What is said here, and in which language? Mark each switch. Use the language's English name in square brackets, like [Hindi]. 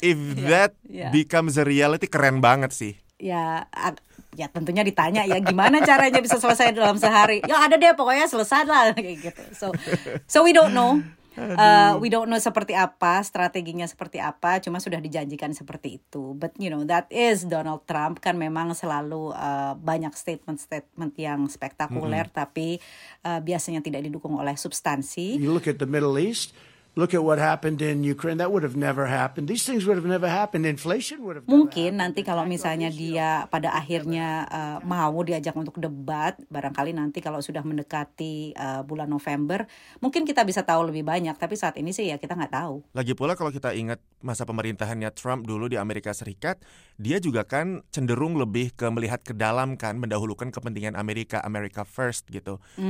[English] If that becomes a reality, [Indonesian] keren banget sih. Ya tentunya ditanya ya gimana caranya bisa selesai dalam sehari. Ya ada deh pokoknya selesai lah kayak gitu. [English] So we don't know. [Indonesian] Seperti apa strateginya, seperti apa, cuma sudah dijanjikan seperti itu. [English] But you know that is Donald Trump [Indonesian] kan, memang selalu banyak statement-statement yang spektakuler tapi biasanya tidak didukung oleh substansi. [English] You look at the Middle East. Look at what happened in Ukraine. That would have never happened. These things would have never happened. Inflation would have. [Indonesian] Mungkin nanti kalau misalnya dia pada akhirnya mau diajak untuk debat, barangkali nanti kalau sudah mendekati bulan November, mungkin kita bisa tahu lebih banyak. Tapi saat ini sih ya kita nggak tahu. Lagi pula kalau kita ingat masa pemerintahannya Trump dulu di Amerika Serikat, dia juga kan cenderung lebih ke melihat ke dalam kan, mendahulukan kepentingan Amerika, America first gitu.